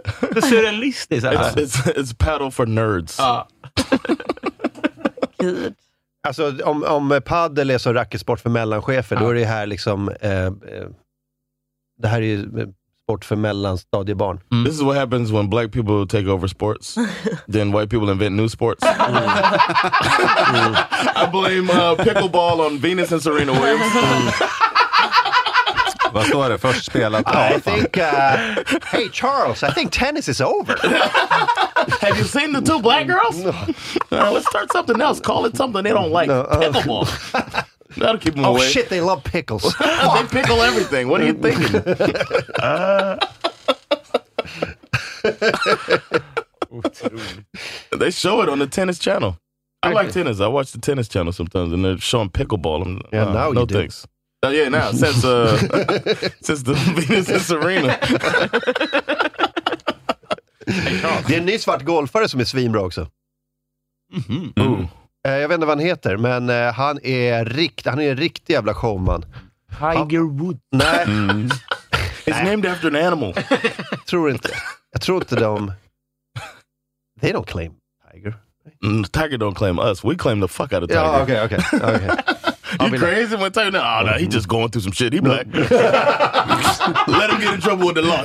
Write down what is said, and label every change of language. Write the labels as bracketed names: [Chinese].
[Swedish] Det ser realistiskt [English] ut. It's paddle for nerds. [Swedish] Gud. Alltså om paddel är som racketsport för mellanchefer, ja, då är det här liksom det här är ju sport för mellanstadiebarn. Mm. [English] This is what happens when black people take over sports. Then white people invent new sports. I blame pickleball on Venus and Serena Williams. [Swedish] Vad står det? Först spelat. [English] I think, hey Charles, I think tennis is over. Have you seen the two black girls? No. Let's start something else. Call it something they don't like. No, pickleball. That'll keep them oh, away. Oh shit, they love pickles. They pickle everything. What are you thinking? They show it on the tennis channel. I like tennis. I watch the tennis channel sometimes and they're showing pickleball. I'm, yeah, now no you thanks. Do. Yeah, now since since the Venus and Serena. [Swedish] Det är en ny svart golfare som är svinbra också. Mm-hmm. Jag vet inte vad han heter, men han är en riktig jävla showman. Tiger Woods. Nej. [English] It's named after an animal. [Swedish] Jag tror inte de. [English] They don't claim Tiger. Mm, Tiger don't claim us. We claim the fuck out of Tiger. Yeah, okay. You crazy like, when Tiger? Oh, no, he just going through some shit. He black. Let him get in trouble with the law.